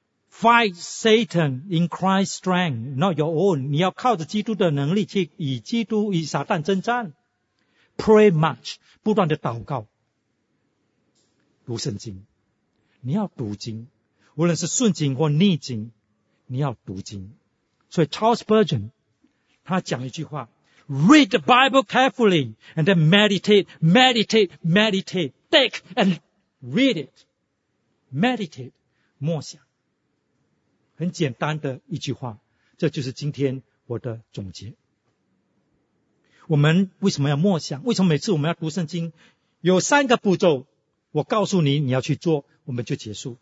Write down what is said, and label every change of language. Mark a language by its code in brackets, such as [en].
[en] Fight Satan in Christ's strength, not your own， [zh] 你要靠着基督的能力去与基督与撒旦征战。 [en] Pray much， [zh] 不断的祷告，读圣经，你要读经，无论是顺经或逆经，你要读经。所以 [en] Charles Spurgeon [zh] 他讲一句话， [en] Read the Bible carefully and then meditate, meditate, meditate, think and read it. Meditate, [zh] 默想。很简单的一句话，这就是今天我的总结。我们为什么要默想？为什么每次我们要读圣经？有三个步骤，我告诉你，你要去做，我们就结束。